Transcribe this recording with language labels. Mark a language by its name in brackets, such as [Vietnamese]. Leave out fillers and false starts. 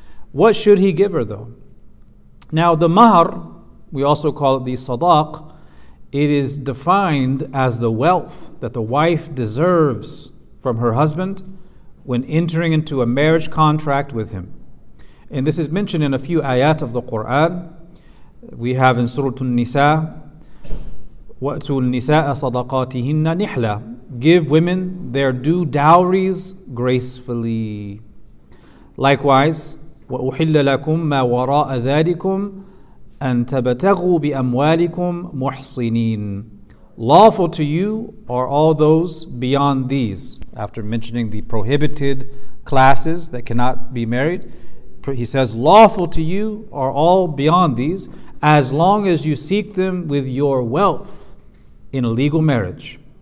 [English] What should he give her, though? Now, the mahr, we also call it the sadaq, it is defined as the wealth that the wife deserves from her husband when entering into a marriage contract with him. And this is mentioned in a few ayat of the Qur'an. We have in Surah An-Nisa, [Arabic] وَأْتُوا النِّسَاءَ صَدَقَاتِهِنَّ نِحْلًا. [English] Give women their due dowries gracefully. Likewise, [Arabic] وَأُحِلَّ لَكُمْ مَا وَرَاءَ ذَلِكُمْ أَن تَبَتَغُوا بِأَمْوَالِكُمْ مُحْصِنِينَ. [English] Lawful to you are all those beyond these. After mentioning the prohibited classes that cannot be married, he says, lawful to you are all beyond these, as long as you seek them with your wealth in a legal marriage.